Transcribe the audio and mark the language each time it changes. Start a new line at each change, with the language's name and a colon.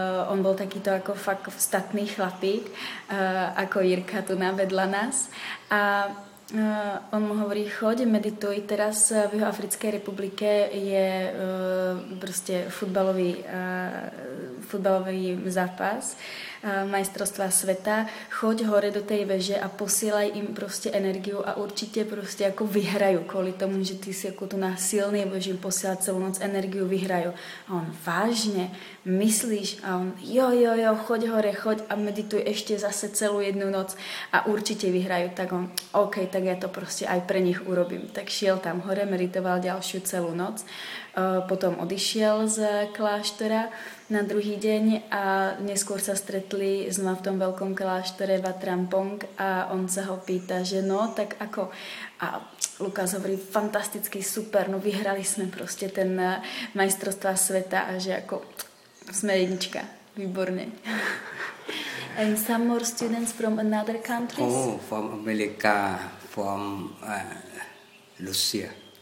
Slovak: On bol takýto ako fakt statný chlapík, ako Jirka tu navedla nás. A on mu hovorí, choď, medituj. Teraz v Jihoafrickej republike je proste futbalový zápas.
Czech: majstrovstva světa. Choď hore do té veže a posílaj jim prostě energiu a určitě prostě jako vyhraju kvůli tomu, že ty jsi jako tu násilný, budeš jim posílat celou noc energiu, vyhraju. A on vážně, myslíš? A on jo, choď hore, choď a medituj ještě zase celou jednu noc a určitě vyhraju.
Slovak: Tak on, OK,
Czech: tak já to prostě
Slovak: aj pre nich urobím. Tak šiel tam hore, meditoval další celou noc. Potom odišiel z kláštera na druhý deň a neskôr sa stretli znova v tom veľkom kláštere Vatrampong a on sa ho pýta, že no, tak ako... A Lukáš hovorí, fantasticky, super, no vyhrali sme proste ten majstrovstvá sveta a že ako sme jednička, výborné.
English: And some more students from another countries? Oh, from America, from Russia.